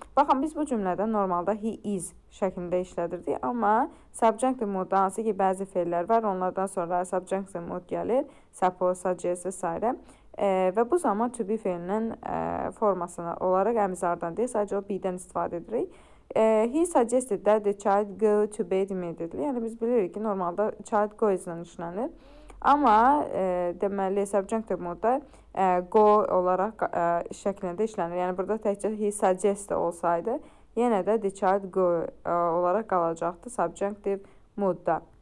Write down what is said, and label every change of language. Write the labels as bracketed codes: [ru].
[az] Baxın, biz bu cümlədə normalda he is şəklində işlədirdik, amma subjunctive mood hansı ki, bəzi feillər var, onlardan sonra subjunctive mood gəlir, suppose, suggest və s. Və bu zaman to be feilinin formasına olaraq əmizardan deyil, sadəcə o be-dən istifadə edirik. [en] He suggested that the child go to bed immediately. [az] Yəni, biz bilirik ki, normalda child go ilə işlənir. Amma deməli, subjunctive modda go olaraq şəklində işlənir. Yəni, burada təkcə he suggest olsaydı, yenə də the child go olaraq qalacaqdı subjunctive modda.